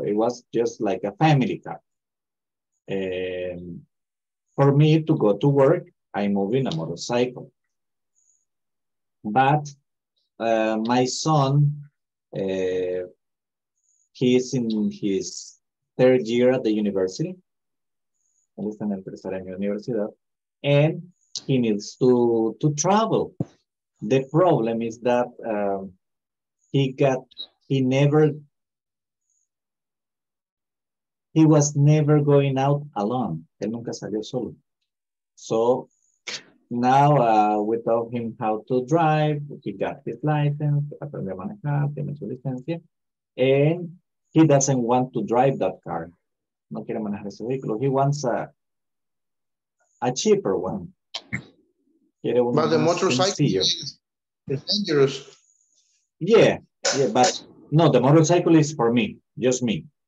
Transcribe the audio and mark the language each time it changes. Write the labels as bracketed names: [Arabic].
[English] It was just like a family car. For me to go to work, I'm moving a motorcycle. But my son, he is in his third year at the university. [Spanish] Él está en el tercer año de universidad. [English] And he needs to travel. The problem is that he was never going out alone. [Spanish] Él nunca salió solo. [English] So now we taught him how to drive. He got his license, [Spanish] aprendió a manejar, tiene su licencia. [English] And he doesn't want to drive that car. [Spanish] No quiere manejar ese vehículo. [English] He wants a cheaper one. [Spanish] Quiere un [English] but the motorcycle [Spanish] sencillo. [English] Is dangerous. Yeah, but no, the motorcycle is for me, just me.